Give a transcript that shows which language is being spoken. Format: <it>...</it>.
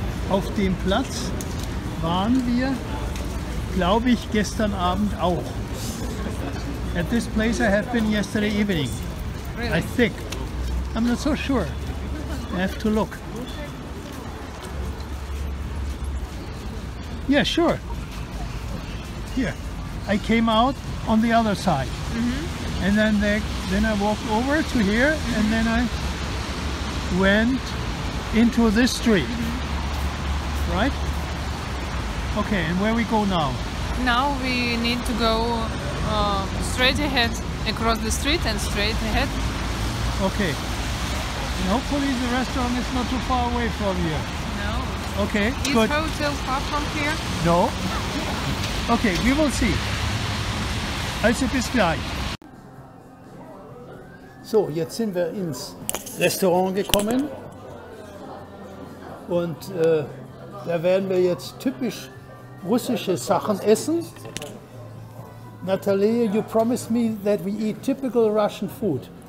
<de>Auf dem Platz waren wir, glaube ich, gestern Abend auch.</de> <en>At this place I have been yesterday evening. Really? I think. I'm not so sure. I have to look. Yeah, sure. Here. I came out on the other side. Mm-hmm. And then I walked over to here, mm-hmm. and then I went into this street. Mm-hmm. Right? Okay, and where we go now? Now we need to go straight ahead across the street and straight ahead. Okay. And hopefully the restaurant is not too far away from here. Okay, is good. Is hotel far from here? No. Okay, we will see.</en> <de>Also bis gleich. So, jetzt sind wir ins Restaurant gekommen. Und da werden wir jetzt typisch russische Sachen essen.</de> <en>Natalia, you promised me that we eat typical Russian food.</en>